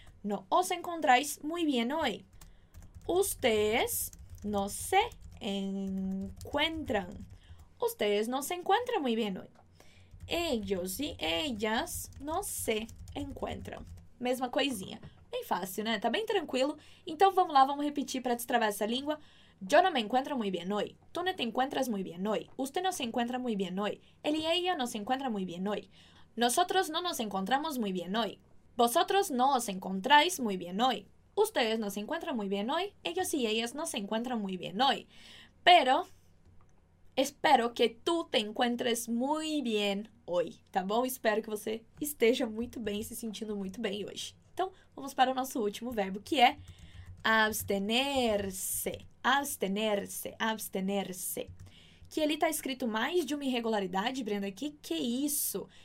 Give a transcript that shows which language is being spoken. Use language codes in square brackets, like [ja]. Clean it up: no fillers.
[es] No os encontráis muy bien hoy. Ustedes no se encuentran. Ustedes no se encuentran muy bien hoy. Ellos y ellas no se encuentran. [pt] Mesma coisinha. Bem fácil, né? Tá bem tranquilo. Então vamos lá, vamos repetir para destravar essa língua. [es] Yo no me encuentro muy bien hoy. Tú no te encuentras muy bien hoy. Usted no se encuentra muy bien hoy. Él y ella no se encuentran muy bien hoy. Nosotros no nos encontramos muy bien hoy. Vosotros no os encontráis muy bien hoy. Ustedes no se encuentran muy bien hoy. Ellos y ellas no se encuentran muy bien hoy. Pero [pt] Espero que tu te encontres muito bem hoje, tá bom? Espero que você esteja muito bem, se sentindo muito bem hoje. Então, vamos para o nosso último verbo, que é abstenerse. Abstenerse, abstenerse. Que ali está escrito mais de uma irregularidade, Brenda, que é isso?